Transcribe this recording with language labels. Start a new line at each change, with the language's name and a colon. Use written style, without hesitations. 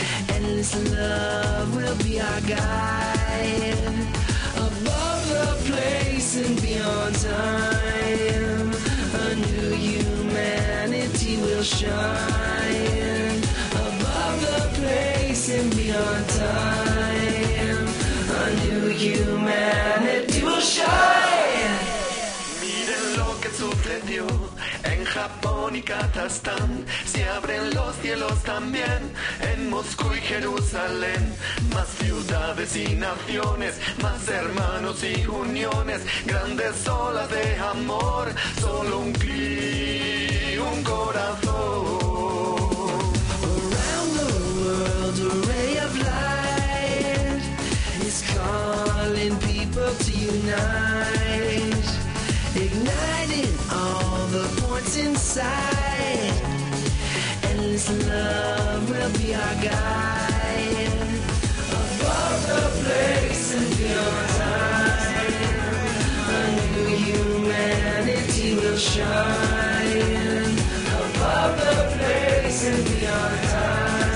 English: endless love will be our guide, above the place and beyond time, a new humanity will shine, above the place and beyond time, a new humanity will shine.
Spanish: Mire lo que sucedió en Japón y Kazajstán, se abren los cielos también en Moscú y Jerusalén, más ciudades y naciones, más hermanos y uniones, grandes olas de amor, solo un clic, un corazón.
English: Around the world a ray of light is calling people to unite, igniting all the inside, endless love will be our guide, above the place and beyond time, a new humanity will shine, above the place and beyond time.